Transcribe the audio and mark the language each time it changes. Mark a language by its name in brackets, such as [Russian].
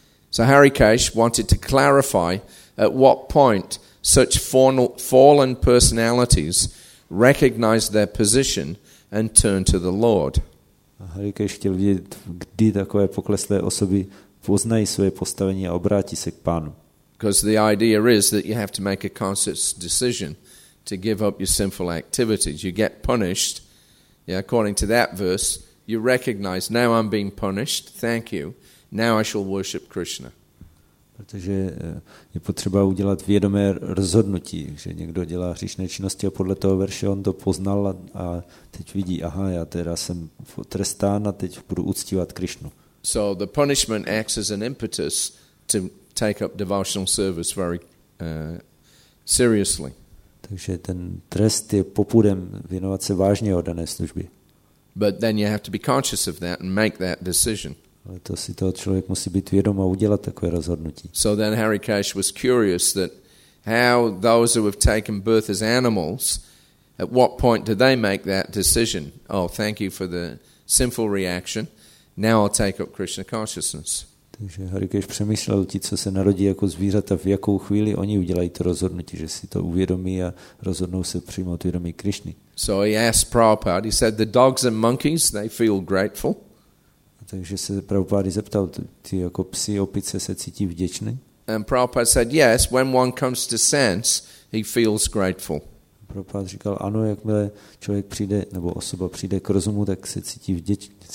[English] So Harikesh wanted to clarify at what point such fallen personalities recognize their position and turn to the Lord. [Czech] Harikesh chtěl vědět, kdy takové pokleslé osoby poznají svoje postavení a obrátí se k Pánu. [English] Because the idea is that you have to make a conscious decision to give up your sinful activities. You get punished. Yeah, according to that verse, you recognize now I'm being punished. Thank you. Now I shall worship Krishna. [Czech] Protože je potřeba udělat vědomé rozhodnutí, že někdo dělá hříšné činnosti a podle toho verše on to poznal a teď vidí, aha, já teda jsem trestán a teď budu uctívat Krishnu. [English] So the punishment acts as an impetus to take up devotional service very seriously. [Czech] Takže ten trest je popudem věnovat se vážně o dané službě. [English] But then you have to be conscious of that and make that decision. [Czech] Ale to si toho člověk musí být vědom a udělat takové rozhodnutí. [English] So then Harikesh was curious that how those who have taken birth as animals, at what point do they make that decision? Oh, thank you for the sinful reaction. Now I'll take up Krishna consciousness. [Czech] Takže Harikesh přemýšlel, ti, co se narodí jako zvířata, v jakou chvíli oni udělají to rozhodnutí, že si to uvědomí a rozhodnou se přijmout vědomí Krišny. [English] So he asked Prabhupada, he said, the dogs and monkeys, they feel grateful. [Czech] A takže se Prabhupada zeptal, ty jako psi, opice se cítí vděčný? [English] And Prabhupada said, yes, when one comes to sense, he feels grateful. [Czech] Prabhupada říkal, ano, jakmile člověk přijde, nebo osoba přijde k rozumu, tak se cítí vděčný.